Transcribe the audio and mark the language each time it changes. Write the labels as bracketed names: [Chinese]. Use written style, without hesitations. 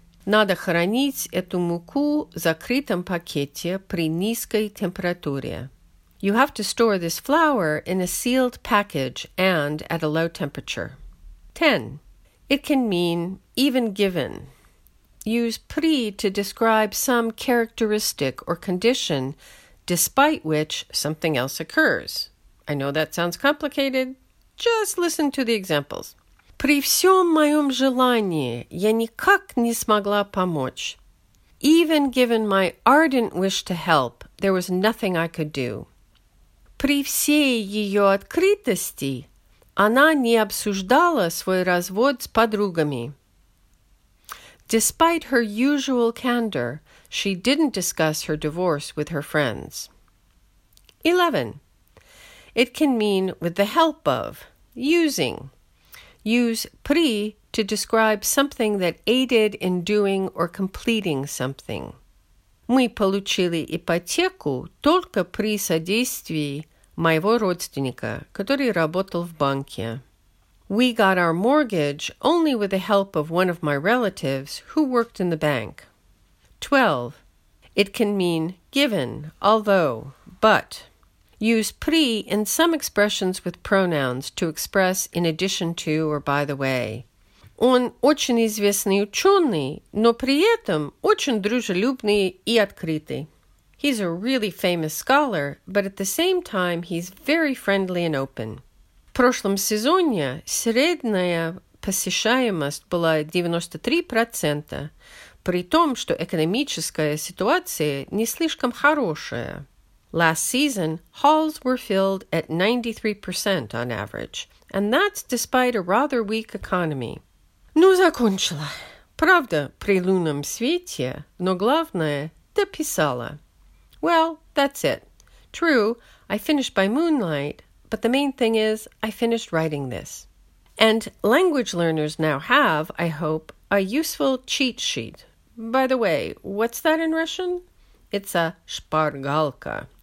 [Russian] Надо хранить эту муку в закрытом пакете при низкой температуре. [English] You have to store this flour in a sealed package and at a low temperature. 10. It can mean even given. Use при to describe some characteristic or condition despite which something else occurs. I know that sounds complicated. Just listen to the examples. [Russian] При всем моем желании я никак не смогла помочь. [English] Even given my ardent wish to help, there was nothing I could do. [Russian] При всей ее открытости она не обсуждала свой развод с подругами. [English] Despite her usual candor, she didn't discuss her divorce with her friends. 11. It can mean with the help of. Using. Use при to describe something that aided in doing or completing something. [Russian] Мы получили ипотеку только при содействии моего родственника, который работал в банке. [English] We got our mortgage only with the help of one of my relatives who worked in the bank. 12. It can mean given, although, but. Use при in some expressions with pronouns to express in addition to or by the way. [Russian] Он очень известный ученый, но при этом очень дружелюбный и открытый. [English] He's a really famous scholar, but at the same time he's very friendly and open. [Russian] В прошлом сезоне средняя посещаемость была 93%, при том, что экономическая ситуация не слишком хорошая. [English] Last season, halls were filled at 93% on average, and that's despite a rather weak economy. [Russian] Ну, закончила. Правда, при лунном свете, но главное, дописала. [English] Well, that's it. True, I finished by moonlight, but the main thing is, I finished writing this. And language learners now have, I hope, a useful cheat sheet. By the way, what's that in Russian? It's a шпаргалка.